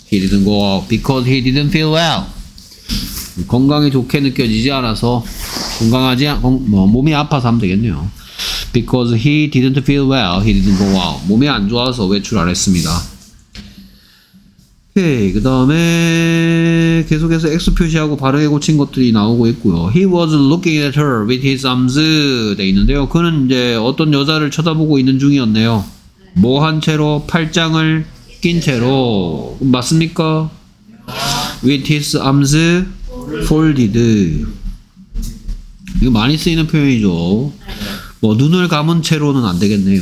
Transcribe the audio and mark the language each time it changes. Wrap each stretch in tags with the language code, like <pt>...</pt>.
<en>He didn't go out because he didn't feel well.</en> <ko>건강이 좋게 느껴지지 않아서 건강하지 않고 뭐 몸이 아파서 하면 되겠네요.</ko> <en>Because he didn't feel well, he didn't go out.</en> <ko>몸이 안 좋아서 외출 안 했습니다. 오케이. 그 다음에 계속해서 X 표시하고 바르게 고친 것들이 나오고 있고요.</ko> <en>He was looking at her with his arms</en> <ko>돼 있는데요. 그는 이제 어떤 여자를 쳐다보고 있는 중이었네요. 뭐 한 채로 팔짱을 낀 채로 맞습니까?</ko> <en>With his arms folded.</en> <ko>이거 많이 쓰이는 표현이죠. 뭐 눈을 감은 채로는 안 되겠네요.</ko>